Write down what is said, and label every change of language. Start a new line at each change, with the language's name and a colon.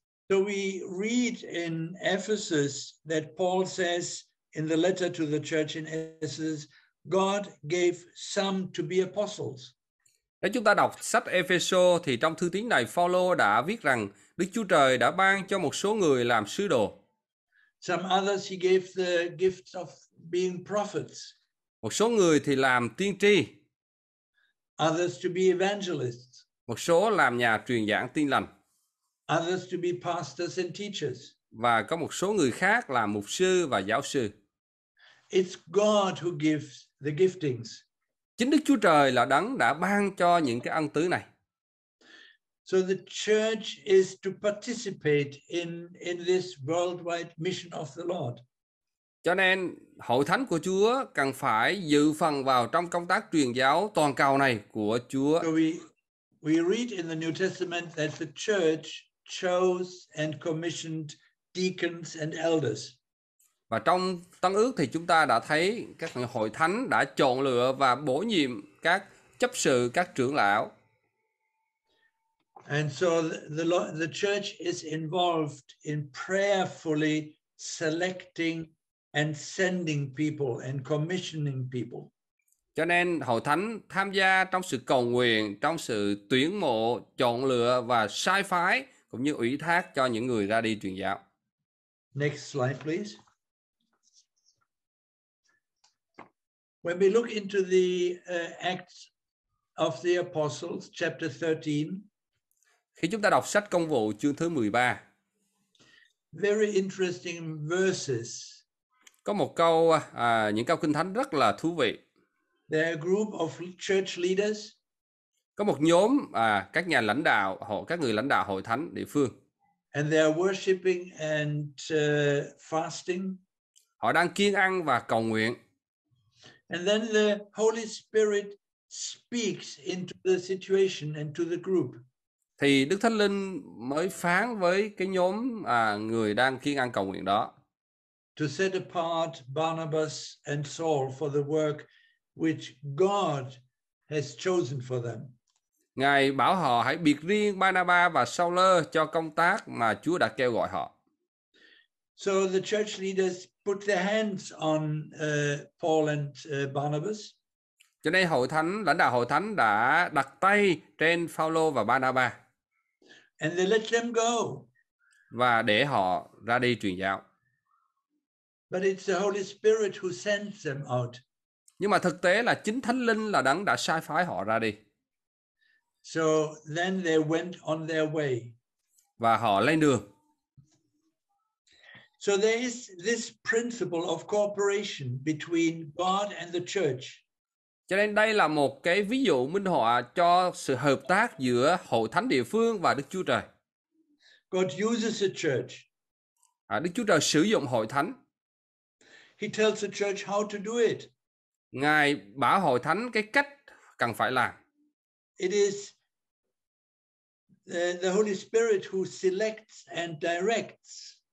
English: So we read in Ephesus that Paul says in the letter to the church in Ephesus, God gave some to be apostles.
Vietnamese: Nếu chúng ta đọc sách Ephesio thì trong thư tín này Paulo đã viết rằng Đức Chúa Trời đã ban cho một số người làm sứ đồ.
English: Some others he gave the gifts of being prophets.
Vietnamese: Một số người thì làm tiên tri.
English: Others to be evangelists.
Vietnamese: Một số làm nhà truyền giảng tin lành.
English: Others to be pastors and teachers.
Vietnamese: Và có một số người khác là mục sư và giáo sư.
English: It's God who gives the giftings.
Vietnamese: Chính Đức Chúa Trời là đấng đã ban cho những cái ân tứ này.
English: So the church is to participate in this worldwide mission of the Lord.
Vietnamese: Cho nên hội thánh của Chúa cần phải dự phần vào trong công tác truyền giáo toàn cầu này của Chúa.
English: So we read in the New Testament that the church chose and commissioned deacons and elders.
Vietnamese: Và trong Tân Ước thì chúng ta đã thấy các hội thánh đã chọn lựa và bổ nhiệm các chấp sự, các trưởng lão.
English: And so the church is involved in prayerfully selecting and sending people and commissioning people.
Vietnamese: Cho nên hội thánh tham gia trong sự cầu nguyện, trong sự tuyển mộ, chọn lựa và sai phái cũng như ủy thác cho những người ra đi truyền giáo.
English: Next slide, please. When we look into the Acts of the Apostles, chapter 13.
Vietnamese: Khi chúng ta đọc sách Công vụ chương thứ 13.
English: Very interesting verses.
Vietnamese: Có một câu, những câu kinh thánh rất là thú vị.
English: There are a group of church leaders.
Vietnamese: Có một nhóm các nhà lãnh đạo, các người lãnh đạo hội thánh địa phương.
English: And they are worshiping and fasting.
Vietnamese: Họ đang kiêng ăn và cầu nguyện.
English: And then the Holy Spirit speaks into the situation and to the group.
Vietnamese: Thì Đức Thánh Linh mới phán với cái nhóm người đang kiêng ăn cầu nguyện đó.
English: To set apart Barnabas and Saul for the work which God has chosen for them.
Vietnamese: Ngài bảo họ hãy biệt riêng Barnabas và Saul cho công tác mà Chúa đã kêu gọi họ.
English: So the church leaders put their hands on Paul and Barnabas.
Vietnamese: Cho nên hội thánh, lãnh đạo hội thánh đã đặt tay trên Phaolô và Barnabas.
English: And they let them go.
Vietnamese: Và để họ ra đi truyền giáo.
English: But it's the Holy Spirit who sends them out.
Vietnamese: Nhưng mà thực tế là chính Thánh Linh là đấng đã sai phái họ ra đi.
English: So then they went on their way.
Vietnamese: Và họ lên đường.
English: So there is this principle of cooperation between God and the church.
Vietnamese: Cho nên đây là một cái ví dụ minh họa cho sự hợp tác giữa hội thánh địa phương và Đức Chúa Trời.
English: God uses the church.
Vietnamese: Đức Chúa Trời sử dụng hội thánh.
English: He tells the church how to do it.
Vietnamese: Ngài bảo hội thánh cái cách cần phải làm.
English: It is the Holy Spirit who selects and directs.